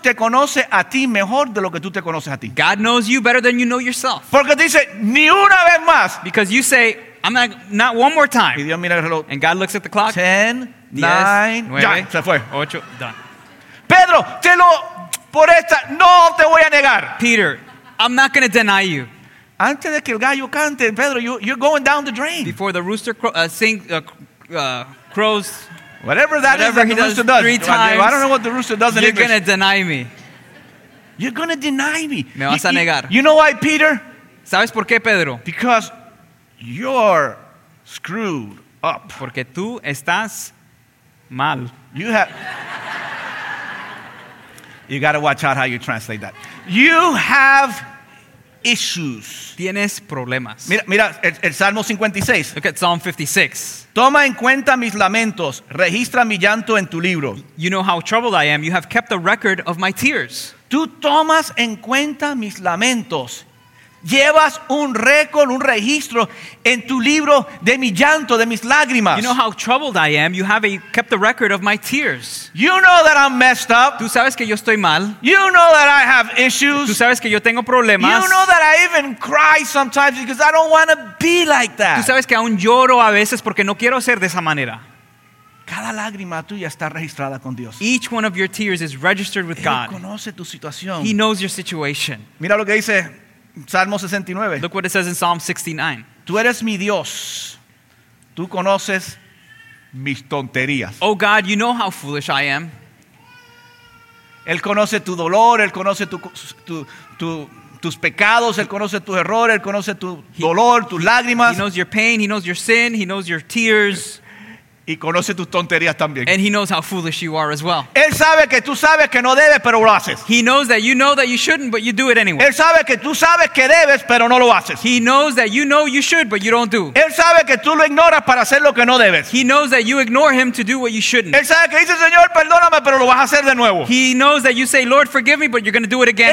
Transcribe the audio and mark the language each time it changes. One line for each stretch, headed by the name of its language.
Spanish: Dios te conoce a ti mejor de lo que tú te conoces a ti.
English: God knows you better than you know yourself.
Spanish: Porque dice, ni una vez más.
English: Because you say, I'm not one more time.
Spanish: Y Dios mira el reloj.
English: And God looks at the clock. 10, 9,
Spanish: ya, se fue.
English: 8, done.
Spanish: Pedro, te lo... Por esta, no te voy a negar.
English: Peter, I'm not going to deny you.
Spanish: Antes de que el gallo cante, Pedro,
English: you're going down the drain. Before the rooster crows, whatever that whatever is that the rooster does. Three times, I don't know what the rooster does in you're English. You're going to deny me. You're going to deny me.
Spanish: Me vas a negar.
English: You know why, Peter?
Spanish: ¿Sabes por qué, Pedro?
English: Because you're screwed up.
Spanish: Porque tú estás mal.
English: You have... You got to watch out how you translate that. You have issues.
Spanish: Tienes problemas. Mira el Salmo 56.
English: Look at Psalm 56.
Spanish: Toma en cuenta mis lamentos, registra mi llanto en tu libro.
English: You know how troubled I am, you have kept a record of my tears.
Spanish: Tú tomas en cuenta mis lamentos. Llevas un récord, un registro en tu libro de mi llanto, de mis lágrimas.
English: You know how troubled I am. You have kept the record of my tears. You know that I'm messed up.
Spanish: Tú sabes que yo estoy mal.
English: You know that I have issues.
Spanish: Tú sabes que yo tengo problemas.
English: You know that I even cry sometimes because I don't want to be like that.
Spanish: Tú sabes que aún lloro a veces porque no quiero ser de esa manera. Cada lágrima tuya está registrada con Dios.
English: Each one of your tears is registered with
Spanish: Él
English: God.
Spanish: Él conoce tu situación.
English: He knows your situation.
Spanish: Mira lo que dice Salmo 69.
English: Look what it says in Psalm 69.
Spanish: Tú eres mi Dios. Tú conoces mis tonterías.
English: Oh God, you know how foolish I am.
Spanish: Él conoce tu dolor, él conoce tus pecados, él conoce tus errores, él conoce tu dolor, tus lágrimas.
English: He knows your pain, he knows your sin, he knows your tears.
Spanish: Y conoce tus tonterías también.
English: And he knows how foolish you are as well.
Spanish: Él sabe que tú sabes que no debes, pero lo haces.
English: He knows that you know that you shouldn't, but you do it anyway.
Spanish: Él sabe que tú sabes que debes, pero no lo haces.
English: He knows that you know you should, but you don't do.
Spanish: Él sabe que tú lo ignoras para hacer lo que no debes.
English: He knows that you ignore him to do what you shouldn't.
Spanish: Él sabe que dice, Señor, perdóname, pero lo vas a hacer de nuevo.
English: He knows that you say, Lord, forgive me, but you're going to do it again